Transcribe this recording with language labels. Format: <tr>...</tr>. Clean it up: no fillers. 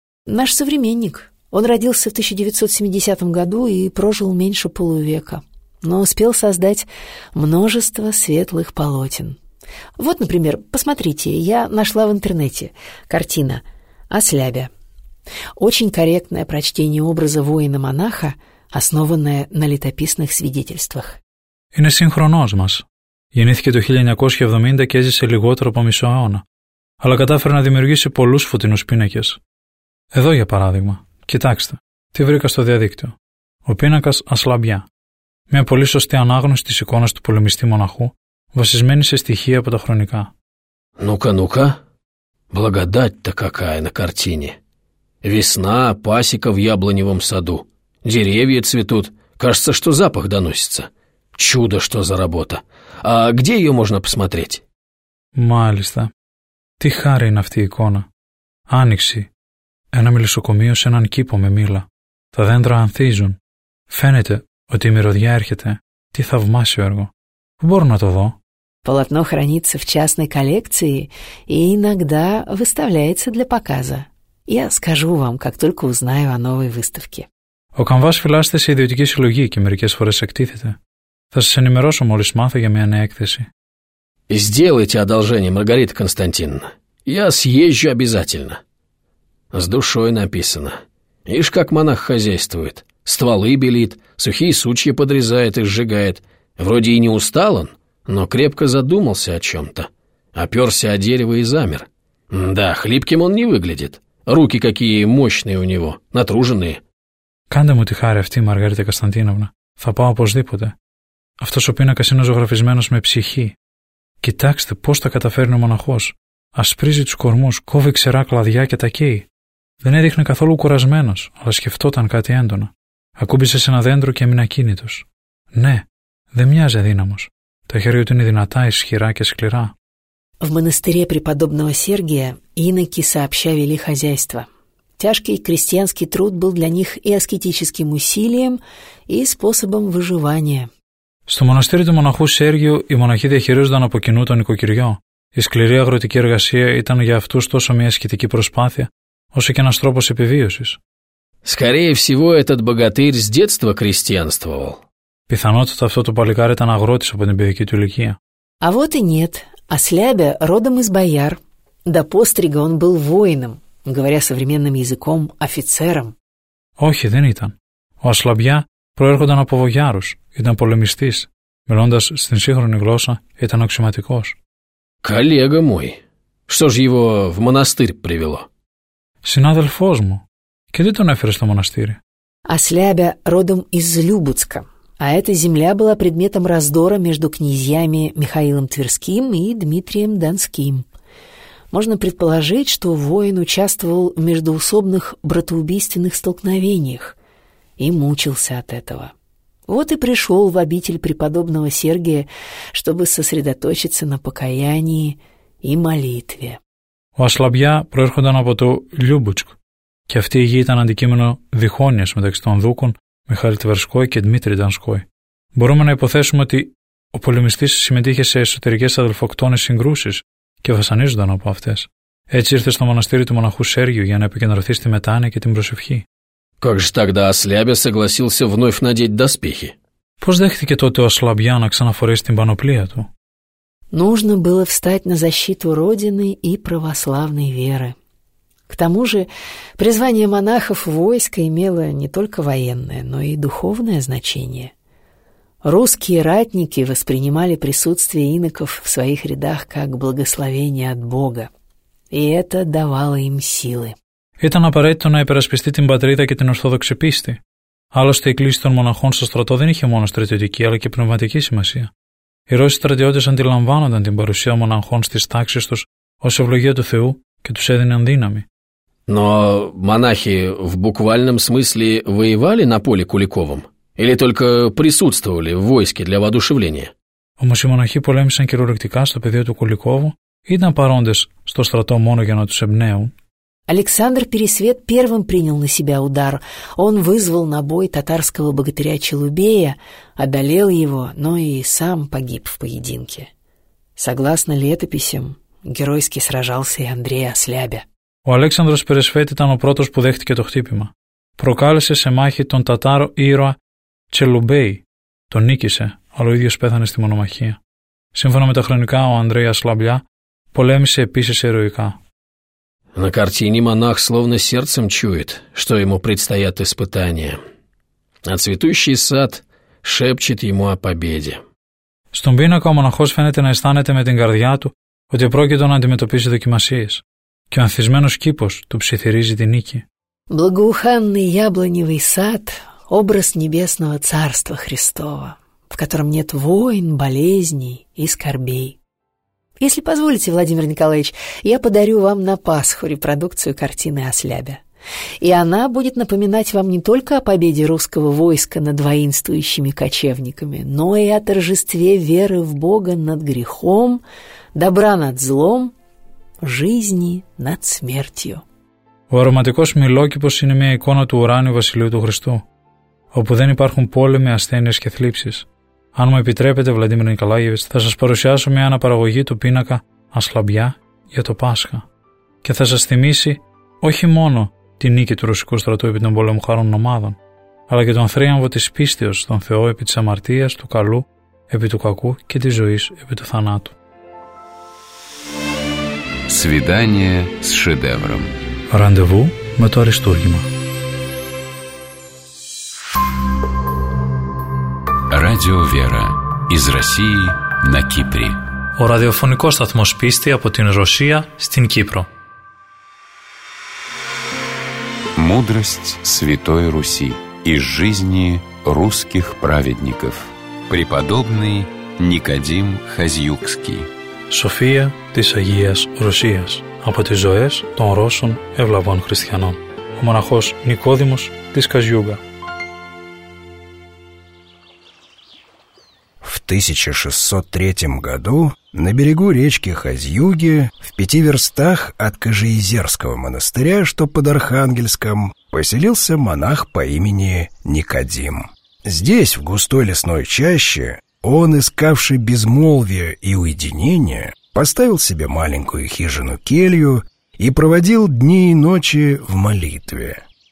<ru>Наш современник. Он родился в 1970 году и прожил меньше полувека. Но успел создать множество светлых полотен. Вот, например, посмотрите, я нашла в интернете картина «Аслябя». Очень корректное прочтение образа воина-монаха, основанное на летописных свидетельствах.</ru> <el>Είναι σύγχρονός μας. Γεννήθηκε το 1970 και έζησε λιγότερο από μισό αιώνα. Αλλά κατάφερε να δημιουργήσει πολλούς φωτεινούς πίνακες. Εδώ, για παράδειγμα, κοιτάξτε, τι βρήκα στο διαδίκτυο. Ο πίνακας Ασλαμπιά. Μια πολύ σωστή ανάγνωση της εικόνας του πολεμιστή μοναχού, βασισμένη σε στοιχεία από τα χρονικά. Νούκα, νούκα.</el> <ru>Благодать-то какая на картине. Весна, пасека в яблоневом саду. Деревья цветут. Кажется, что запах доносится. Чудо, что за работа. А где ее можно посмотреть?</ru> <el>Μάλιστα. Τι χάρη είναι αυτή η εικόνα. Άνοιξη. Ένα μελισσοκομείο σε έναν κήπο με μήλα. Τα δέντρα ανθίζουν. Φαίνεται ότι η μυρωδιά έρχεται. Τι θαυμάσιο έργο. Πού μπορώ να το δω?</el> <ru>Полотно хранится в частной коллекции и иногда выставляется для показа. Я скажу вам, как только узнаю о новой выставке.</ru> <el>Ο καμβάς φυλάσσεται σε ιδιωτική συλλογή και μερικές φορές εκτίθεται. Θα σας ενημερώσω μόλις μάθω για μια νέα έκθεση.</el> <ru>Сделайте одолжение, Маргарита Константиновна. Я съезжу обязательно. С душой написано. Ишь, как монах хозяйствует. Стволы белит, сухие сучья подрезает и сжигает. Вроде и не устал он, но крепко задумался о чем-то. Оперся о дерево и замер. Да, хлипким он не выглядит. Руки какие мощные у него, натруженные.</ru> <el>Канде му ти харе авти, Маргарита Константиновна. Θα πάω οπωσδήποτε. Αυτός ο πίνακας είναι ζωγραφισμένος με ψυχή. Κοιτάξτε πώς τα καταφέρνει ο μοναχός. Ασπρίζει τους κορμούς, κόβει ξερά κλαδιά και τα καίει. Δεν έδειχνε καθόλου κουρασμένος, αλλά σκεφτόταν κάτι έντονα. Ακούμπησε σε ένα δέντρο και έμεινε ακίνητος. Ναι, δεν μοιάζει αδύναμος. Τα χέρια του είναι δυνατά, ισχυρά και σκληρά.</el> <ru>В монастыре преподобного Сергия иноки сообща вели хозяйство. Тяжкий крестьянский труд был для них и аскетическим усилием, и способом выживания.</ru> <el>Στο μοναστήρι του μοναχού Σέργιου, οι μοναχοί διαχειρίζονταν από κοινού το νοικοκυριό. Η σκληρή αγροτική εργασία ήταν για αυτούς τόσο μια ασκητική προσπάθεια, όσο και ένας τρόπος επιβίωσης.</el> <ru>Скорее всего, этот богатырь с детства крестьянствовал.</ru> <el>Πιθανότητα αυτό το παλικάρι ήταν αγρότης από την παιδική του ηλικία.</el> <ru>А вот и нет. Аслябя родом из бояр. До пострига он был воином, говоря современным языком, офицером.</ru> <el>Όχι, δεν ήταν. Ο Ασλαμπιά προέρχονταν από βογιάρους. Ήταν πολεμιστής. Μιλώντας στην σύγχρονη γλώσσα, ήταν αξιωματικός.</el> <ru>Коллега мой, что ж его в монастырь привело?</ru> <el>Συνάδελφός μου. Και τι τον έφερε στο μοναστήρι?</el> <ru>Аслябя родом из Любутска. А эта земля была предметом раздора между князьями Михаилом Тверским и Дмитрием Донским. Можно предположить, что воин участвовал в междоусобных братоубийственных столкновениях. и мучился от этого. Вот и пришел в обитель преподобного Сергия, чтобы сосредоточиться на покаянии и молитве.</ru> <el>У Ашлабья проерхотан από το Любучк, και αυτή η γη ήταν αντικείμενο διχόνοιας μεταξύ των Δούκων, Μιχάλη Τβερσκόη και Δημήτρη Τανσκόη. Μπορούμε να υποθέσουμε ότι ο πολεμιστής συμμετείχε σε εσωτερικές αδελφοκτόνες συγκρούσεις και βασανίζονταν από αυτές. Έτσι ήρθε στο μοναστήρι του μοναχού Σέργιου για να επικεντρωθεί στη μετάνοια και την προσευχή.</el> <ru>Как же тогда Ослябя согласился вновь надеть доспехи?</ru> <el>Πώς δέχτηκε τότε ο Ослабья να ξαναφορέσει την πανοπλία του?</el> <ru>Нужно было встать на защиту Родины и православной веры. К тому же призвание монахов в войско имело не только военное, но и духовное значение. Русские ратники воспринимали присутствие иноков в своих рядах как благословение от Бога, и это давало им силы.</ru> <el>Ήταν απαραίτητο να υπερασπιστεί την πατρίδα και την ορθόδοξη πίστη. Άλλωστε, η κλίση των μοναχών στο στρατό δεν είχε μόνο στρατιωτική αλλά και πνευματική σημασία. Οι Ρώσοι στρατιώτες αντιλαμβάνονταν την παρουσία μοναχών στις τάξεις τους ως ευλογία του Θεού και τους έδιναν δύναμη.</el> <ru>Но монахи в буквальном смысле воевали на поле Куликовом или только присутствовали в войске для воодушевления?</ru> <el>Όμως οι μοναχοί πολέμησαν κυριολεκτικά στο πεδίο του Κουλικόβου ή ήταν παρόντες στο στρατό μόνο για να τους εμπνέουν?</el> <ru>Александр Пересвет первым принял на себя удар. Он вызвал на бой татарского богатыря Челубея, одолел его, но и сам погиб в поединке. Согласно летописям, геройски сражался и Андрей Ослябя.</ru> <el>У Александра Пересвет ήταν ο πρώτος που δέχτηκε το χτύπημα. Προκάλεσε σε μάχη τον Τατάρο ήρωα Τσελουμπέι. Τον νίκησε, αλλά ο ίδιος πέθανε στη μονομαχία. Σύμφωνα με τα χρονικά, ο Ανδρέα Ασλαμπιά πολέμησε επίσης ηρωικά.</el> <ru>На картине монах словно сердцем чует, что ему предстоят испытания. А цветущий сад шепчет ему о победе.</ru> <el>Στον πίνακα ο μοναχός φαίνεται να αισθάνεται με την καρδιά του ότι πρόκειται να αντιμετωπίσει δοκιμασίες. Και ο ανθισμένος κήπος του ψιθυρίζει την νίκη.</el> <ru>Благоуханный яблоневый сад – образ небесного царства Христова, в котором нет войн, болезней и скорбей. Если позволите, Владимир Николаевич, я подарю вам на Пасху репродукцию картины Ослябя. И она будет напоминать вам не только о победе русского войска над воинствующими кочевниками, но и о торжестве веры в Бога над грехом, добра над злом, жизни над смертью.</ru> <el>Ο αρωματικός μιλόκηπος είναι μια εικόνα του ουράνιου βασιλείου του Χριστού, όπου δεν υπάρχουν πόλεμοι, ασθένειες και θλίψεις. Αν μου επιτρέπετε, Βλαντίμιρ Νικολάγεβιτς, θα σας παρουσιάσω μια αναπαραγωγή του πίνακα Ασλαμπιά για το Πάσχα και θα σας θυμίσει όχι μόνο τη νίκη του Ρωσικού στρατού επί των πολεμοχάρων ομάδων, αλλά και τον θρίαμβο της πίστεως στον Θεό επί της αμαρτίας, του καλού, επί του κακού και της ζωής επί του θανάτου.</el> <ru>Свидание с шедевром.</ru> <el>Ραντεβού με το Αριστούργημα.</el> <ru>Радио Вера из России на Кипре.</ru> <el>О радиофонико сатмос писти από την Ρωσία στην Кύπρο.</el> <ru>Мудрость Святой Руси из жизни русских праведников. Преподобный Никодим Хазьюкский.</ru> <el>София της Αγίας Ρωσίας από τις ζωές των Ρώσων ευλαβών χριστιανών. Ο μοναχός Νικόδημος της Καζιούγκα.</el> <ru>В 1603 году на берегу речки Хазьюги, в 5 верстах от Кожеизерского монастыря, что под Архангельском, поселился монах по имени Никодим. Здесь, в густой лесной чаще, он, искавший безмолвие и уединение, поставил себе маленькую хижину-келью и проводил дни и ночи в молитве.</ru>